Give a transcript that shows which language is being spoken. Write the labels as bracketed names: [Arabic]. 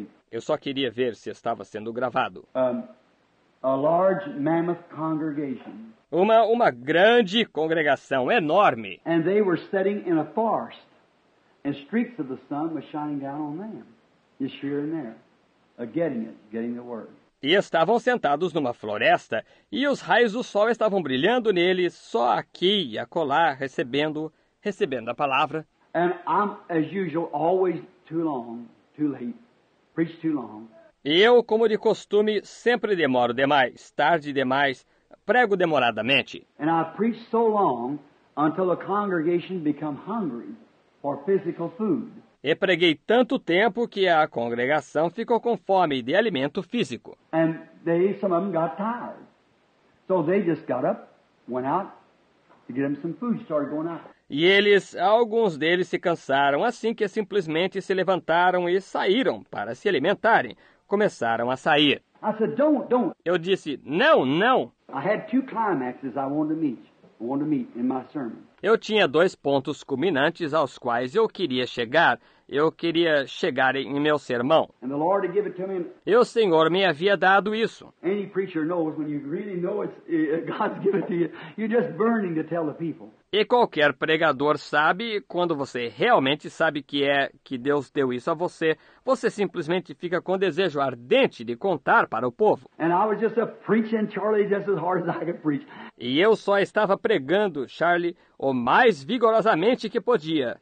[Portuguese] Eu só queria ver se estava sendo gravado. [English] A large mammoth congregation. [Portuguese] Uma grande congregação, enorme. [English] And they were sitting in a forest, and streaks of the sun were shining down on them, just here and there, getting the word. [Portuguese] E estavam sentados numa floresta, e os raios do sol estavam brilhando neles, só aqui e acolá, recebendo a palavra. [English] And I'm, as usual, always too long, too late, preach too long. [Portuguese] Eu, como de costume, sempre demoro demais, tarde demais, prego demoradamente. [English] And I preach so long until the congregation become hungry for physical food. [Portuguese] E preguei tanto tempo que a congregação ficou com fome de alimento físico. [English] And some of them got tired. So they just got up, went out to get them some food, started going out. [Portuguese] E eles, alguns deles se cansaram assim que simplesmente se levantaram e saíram para se alimentarem. Começaram a sair. [English] I said, don't. [Portuguese] Eu disse, não. [English] I had two climaxes I wanted to meet. want to meet in my sermon. [Portuguese] Eu tinha dois pontos culminantes aos quais eu queria chegar. Eu queria chegar em meu sermão. [English] And the Lord had given it to me. [Portuguese] E o Senhor me havia dado isso. [English] Any preacher knows when you really know it's God's given it to you, you're just burning to tell the people. [Portuguese] E qualquer pregador sabe, quando você realmente sabe que é que Deus deu isso a você, você simplesmente fica com desejo ardente de contar para o povo. [English] And I was just a preaching Charlie just as hard as I could preach. [Portuguese] E eu só estava pregando, Charlie, o mais vigorosamente que podia.